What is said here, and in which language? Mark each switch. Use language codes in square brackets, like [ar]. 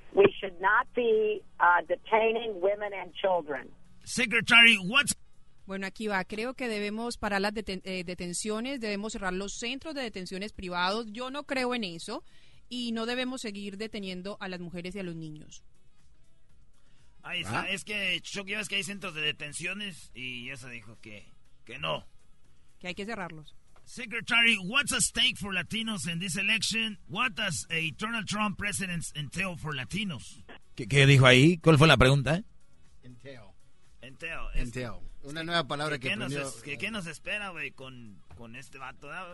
[en] We should not be detaining women and children. Secretary, what's... [es] Bueno, aquí va. Creo que debemos parar las detenciones, debemos cerrar los centros de detenciones privados. Yo no creo en eso y no debemos seguir deteniendo a las mujeres y a los niños. Ahí está. ¿Ah? Es que Choco, es que hay centros de detenciones y esa dijo que no. Que hay que cerrarlos. [en] Secretary, what's at stake for Latinos in this election? What does a Donald Trump president entail for Latinos? [es] ¿Qué dijo ahí? ¿Cuál fue la pregunta? Entail. Una nueva palabra que aprendió. ¿Qué nos espera, güey, con este vato?